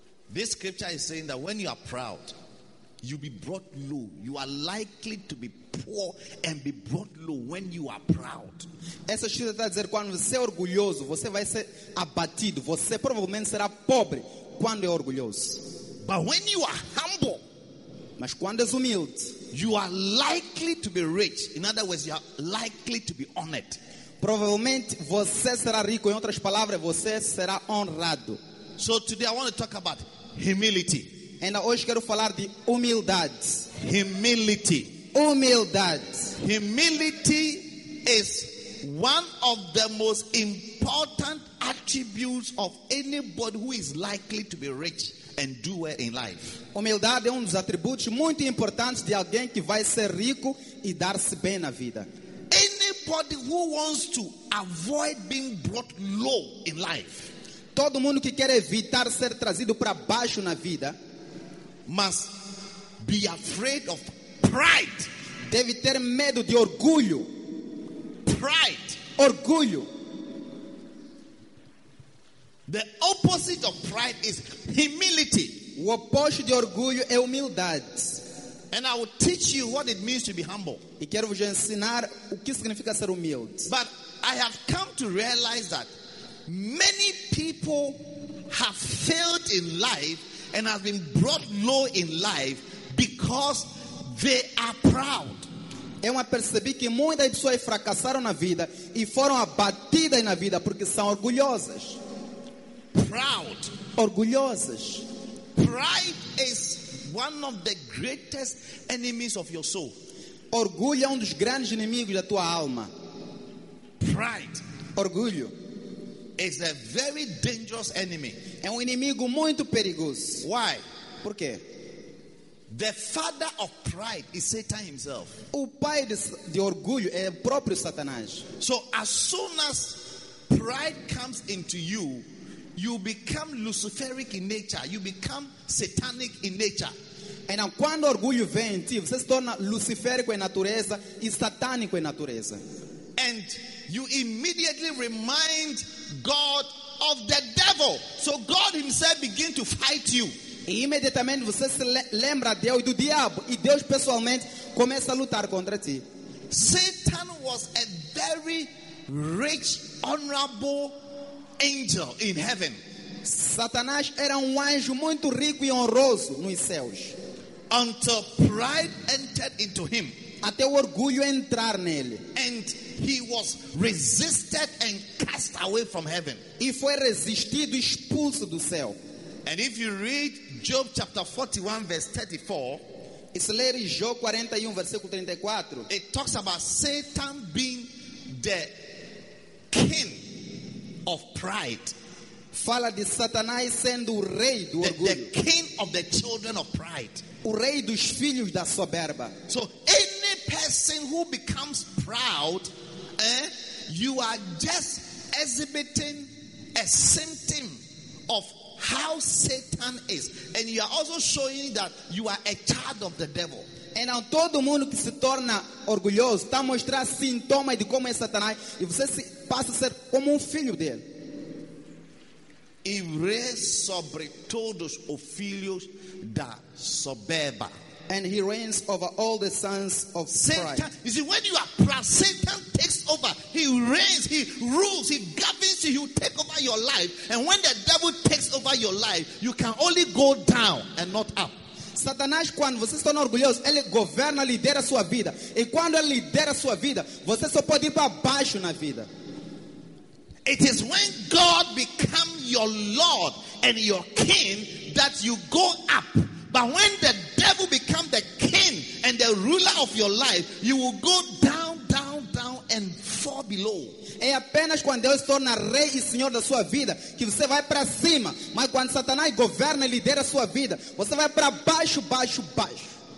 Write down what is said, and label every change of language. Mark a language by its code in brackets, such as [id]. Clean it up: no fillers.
[en] This scripture is saying that when you are proud, you'll be brought low. You are likely to be poor and be brought low when you are proud. [pt] Essa escritura está a dizer, quando você é orgulhoso, você vai ser abatido. Você provavelmente será pobre quando é orgulhoso. [en] But when you are humble, [pt] mas quando és humilde, [en] you are likely to be rich. In other words, you are likely to be honored. [pt] Provavelmente você será rico. Em outras palavras, você será honrado. [en] So today I want to talk about humility. [pt] And hoje quero falar de humildade. [en] Humility. [pt] Humildade. [en] Humility is one of the most important attributes of anybody who is likely to be rich and do well in life. [pt] Humildade é dos atributos muito importantes de alguém que vai ser rico e dar-se bem na vida. [en] Anybody who wants to avoid being brought low in life. [pt] Todo mundo que quer evitar ser trazido para baixo na vida [en] must be afraid of pride. [pt] Deve ter medo de orgulho. [en] Pride. [pt] Orgulho. [en] The opposite of pride is humility. [pt] O oposto de orgulho é humildade. [en] And I will teach you what it means to be humble. [pt] E quero vos ensinar o que significa ser humilde. [en] But I have come to realize that many people have failed in life and have been brought low in life because they are proud. [pt] Eu percebi que muitas pessoas fracassaram na vida e foram abatidas na vida porque são orgulhosas. [en] Proud. [pt] Orgulhosas. [en] Pride is one of the greatest enemies of your soul. [pt] Orgulho é dos grandes inimigos da tua alma. [en] Pride. [pt] Orgulho. [en] Is a very dangerous enemy. [pt] É inimigo muito perigoso. [en] Why? [pt] Por quê? [en] The father of pride is Satan himself. [pt] O pai de orgulho é o próprio Satanás. [en] So as soon as pride comes into you, You become luciferic in nature. You become satanic in nature. [pt] And quando orgulho vem em ti, você se torna luciférico em natureza e satânico em natureza. [en] And you immediately remind God of the devil. So God himself begins to fight you. [pt] E imediatamente você se lembra de Deus e do diabo, e Deus pessoalmente começa a lutar contra ti. [en] Satan was a very rich, honorable angel in heaven. [pt] Satanás era anjo muito rico e honroso nos céus. [en] Until pride entered into him. [pt] Até o orgulho entrar nele. [en] And he was resisted and cast away from heaven. [pt] E foi resistido e expulso do céu. [en] And if you read Job chapter 41 verse 34, [pt] e se ler Job 41 versículo 34, [en] it talks about Satan being the king of pride. [pt] Fala de Satanás sendo o rei do orgulho. [en] The king of the children of pride. [pt] O rei dos filhos da soberba. [en] So any person who becomes proud, you are just exhibiting a symptom of how Satan is, and you are also showing that you are a child of the devil. And now, [pt] todo mundo que se torna orgulhoso está mostrando sintomas de como é Satanás, e você passa a ser como filho dele. E reis sobre todos os filhos da soberba. [en] And he reigns over all the sons of Satan. Pride. You see, when you are proud, Satan takes over. He reigns, he rules, he governs you, he will take over your life. And when the devil takes over your life, you can only go down and not up. [pt] Satanás, quando você está orgulhoso, ele governa, lidera a sua vida. E quando ele lidera a sua vida, você só pode ir para baixo na vida. [en] It is when God becomes your Lord and your King that you go up. But when the devil becomes the king and the ruler of your life, you will go down, down, down and fall below. [pt] É apenas quando Deus torna rei e senhor da sua vida que você vai para cima. Mas quando Satanás governa e lidera a sua vida, você vai para baixo, baixo, baixo.